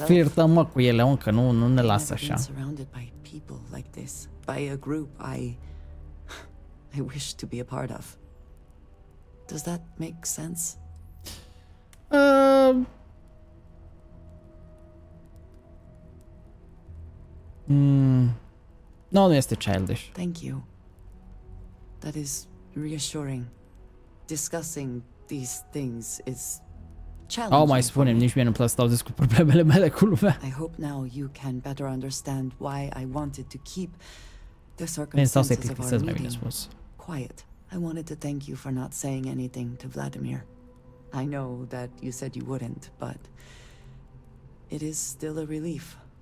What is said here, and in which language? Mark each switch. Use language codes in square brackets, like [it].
[ro] Să flirtăm, mă, cu ele, încă nu ne lasă așa. [en] Surrounded by people like this, by a group I wish to be a part of. Does that make sense? [ro] No, nu este childish. [en] Thank you. That is reassuring. Discussing these things is challenging. [ro] Oh, mai spunem, nici mie nu-mi place să stau cu problemele mele cu lumea. [en] I hope now you can better understand why I wanted to keep the circumstances of our meeting quiet. I wanted to thank you for not saying anything to Vladimir. I know that you said you wouldn't, but it is still a relief.